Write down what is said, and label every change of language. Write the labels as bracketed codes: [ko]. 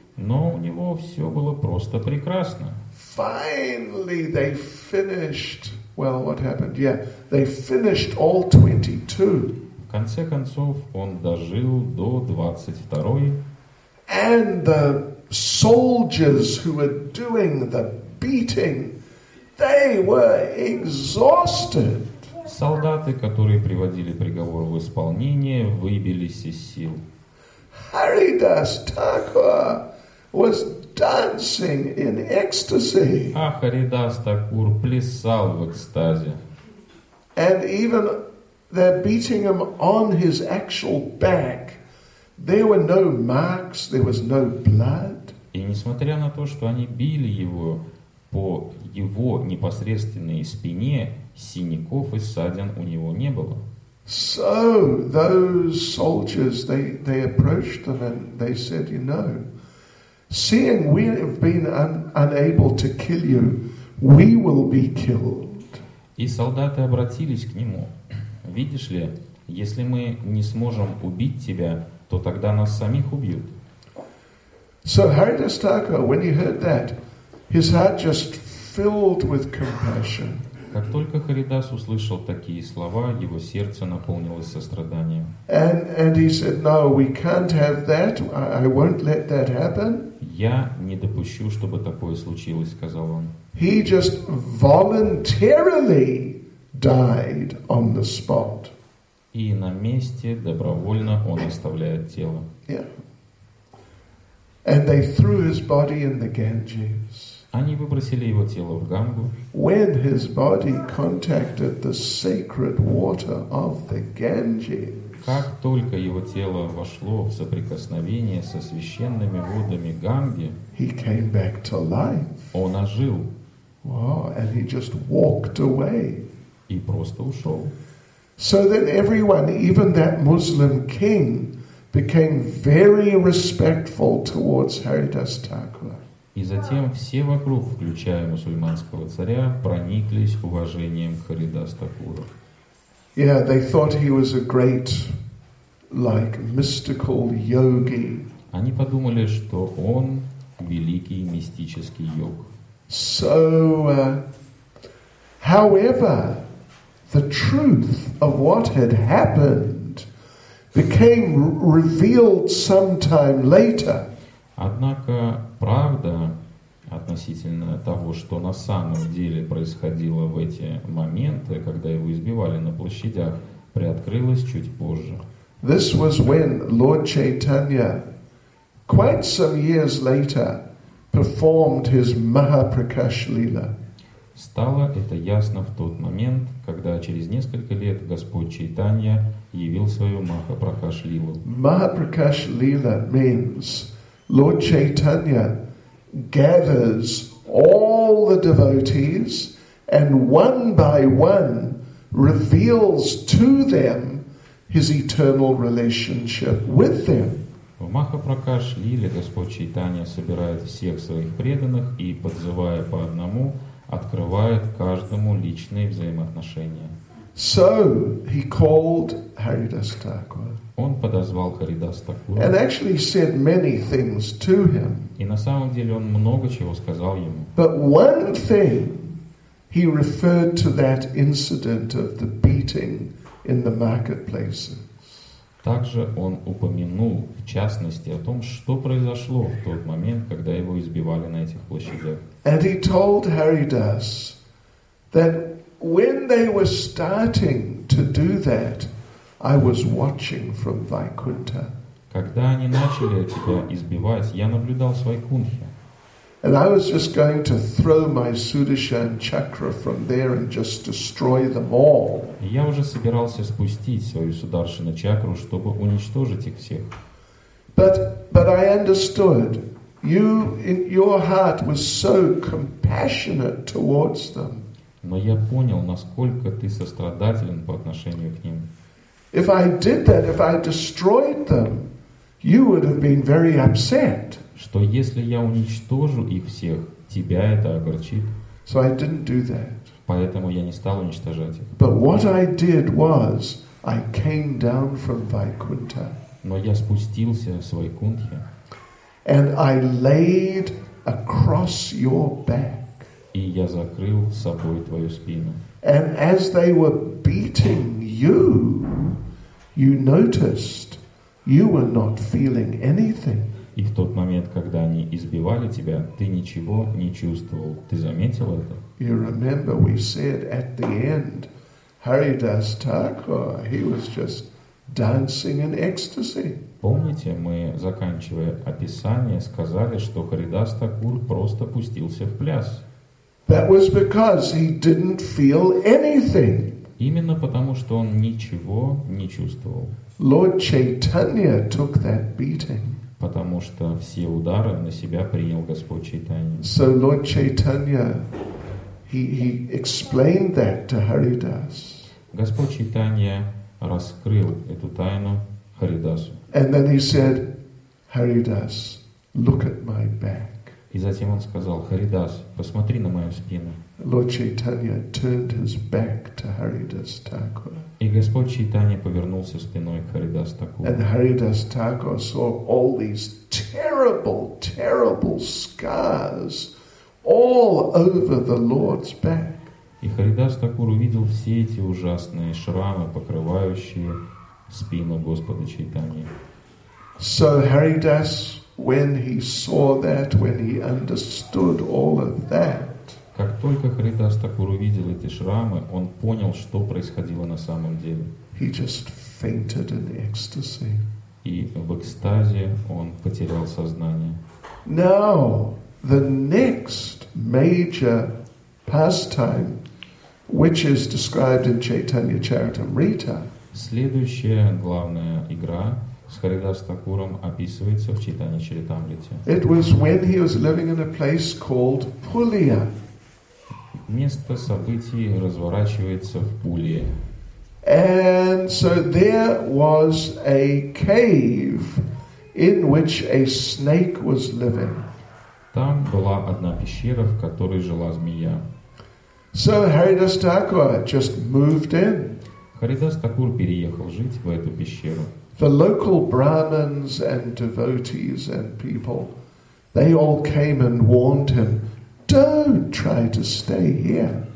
[ru] Но у него все было просто прекрасно. [en] Finally, they finished. Well, what happened? Yeah, they finished all 22. [ru] В конце концов, он дожил до 22-й. [en] And the soldiers who were doing the beating, they were exhausted. [ru] Солдаты, которые приводили приговор в исполнение, выбились из сил. [en] Haridas Thakur was dancing in ecstasy. [ru] А Харидас Такур плясал в экстазе. [en] And even they're beating him on his actual back. There were no marks, there was no blood. [ru] И несмотря на то, что они били его по его непосредственной спине, синяков и ссадин у него не было. [en] So those soldiers, they approached him and they said, you know, seeing we have been unable to kill you, we will be killed. [ru] И солдаты обратились к нему. Видишь ли, если мы не сможем убить тебя, то тогда нас самих убьют. [en] So Haridas Thakur, when he heard that, his heart just filled with compassion. [ru] Как только Харидас услышал такие слова, его сердце наполнилось состраданием. [en] And he said, no, we can't have that. I won't let that happen. [ru] Я не допущу, чтобы такое случилось, сказал он. [en] He just voluntarily died on the spot. [ru] И на месте добровольно он оставляет тело. [en] Yeah. And they threw his body in the Ganges. [ru] Они выбросили его тело в Гангу. [en] When his body contacted the sacred water of the Ganges. [ru] Как только его тело вошло в соприкосновение со священными водами Ганги, [en] he came back to life. [ru] Он ожил. [en] Wow, and he just walked away. [ru] И просто ушел. [en] So then everyone, even that Muslim king, became very respectful towards Haridas Thakur. [ru] И затем все вокруг, включая мусульманского царя, прониклись уважением к Харидас Такуру. [en] Yeah, they thought he was a great, like, mystical yogi. [ru] Они подумали, что он великий мистический йог. [en] So, however, the truth of what had happened became revealed sometime later. [ru] Однако правда относительно того, что на самом деле происходило в эти моменты, когда его избивали на площадях, приоткрылась чуть позже. [en] This was when Lord Chaitanya quite some years later, performed his Mahaprakash Lila. [ru] Стало это ясно в тот момент, когда через несколько лет Господь Чайтанья явил свою Махапракаш Лилу. [en] Махапракаш Лила means Lord Chaitanya gathers all the devotees and one by one reveals to them his eternal relationship with them. [ru] В Махапракаш Лиле Господь Чайтанья собирает всех своих преданных и, подзывая по одному, открывает каждому личные взаимоотношения. [en] So he called Haridas Thakur. [ru] Он подозвал Харидас Такура. [en] And actually said many things to him. [ru] И на самом деле он много чего сказал ему. [en] But one thing he referred to that incident of the beating in the marketplace. [ru] Также он упомянул, в частности, о том, что произошло в тот момент, когда его избивали на этих площадях. [en] And he told Haridas that when they were starting to do that, I was watching from Vaikuntha. [ru] Когда они начали тебя избивать, я наблюдал с Вайкунтхи. [en] And I was just going to throw my Sudarshan chakra from there and just destroy them all. [ru] Я уже собирался спустить свою Сударшина чакру, чтобы уничтожить их всех. [en] But I understood. Your heart was so compassionate towards them. [ru] Но я понял, насколько ты сострадателен по отношению к ним. [en] If I did that, if I destroyed them, you would have been very upset. [ru] Что если я уничтожу их всех, тебя это огорчит. [en] So I didn't do that. [ru] Поэтому я не стал уничтожать их. [en] But what I did was, I came down from Vaikuntha. [ru] Но я спустился с Вайкунтхи. [en] And I laid across your back. [ru] И я закрыл собой твою спину. [en] And as they were beating you, you noticed you were not feeling anything. [ru] И в тот момент, когда они избивали тебя, ты ничего не чувствовал. Ты заметил это? [en] You remember we said at the end, Haridas Thakur, he was just dancing in ecstasy. [ru] Помните, мы, заканчивая описание, сказали, что Харидас Такур просто пустился в пляс. [en] That was because he didn't feel anything. [ru] Именно потому, что он ничего не чувствовал. [en] Lord Chaitanya took that beating. [ru] Потому что все удары на себя принял Господь Чайтанья. [en] So Lord Chaitanya, he explained that to Haridas. [ru] Господь Чайтанья раскрыл эту тайну Харидасу. [en] And then he said, Haridas, look at my back. [ru] И затем он сказал, Харидас, посмотри на мою спину. [en] Lord Chaitanya turned his back to Haridas Thakur. [ru] И Господь Чайтанья повернулся спиной к Харидас Такуру. [en] And Haridas Thakur saw all these terrible, terrible scars all over the Lord's back. [ru] И Харидас Такур увидел все эти ужасные шрамы, покрывающие спину Господа Чайтанья. [en] So Haridas, when he saw that, when he understood all of that, [ru] как только Харидас Такур увидел эти шрамы, он понял, что происходило на самом деле. [en] He just fainted in ecstasy. [ru] И в экстазе он потерял сознание. [en] Now, the next major pastime, which is described in Chaitanya Charitamrita, [ru] следующая главная игра с Харидас Такуром описывается в Чайтанья Чаритамрите. [en] It was when he was living in a place called Пулия. [ru] Место событий разворачивается в Пулии. [en] And so there was a cave in which a snake was living. [ru] Там была одна пещера, в которой жила змея. [en] So Haridas Thakur just moved in. [ru] Харидас Такур переехал жить в эту пещеру. [en] The local Brahmins and devotees and people, they all came and warned him, don't try to stay here.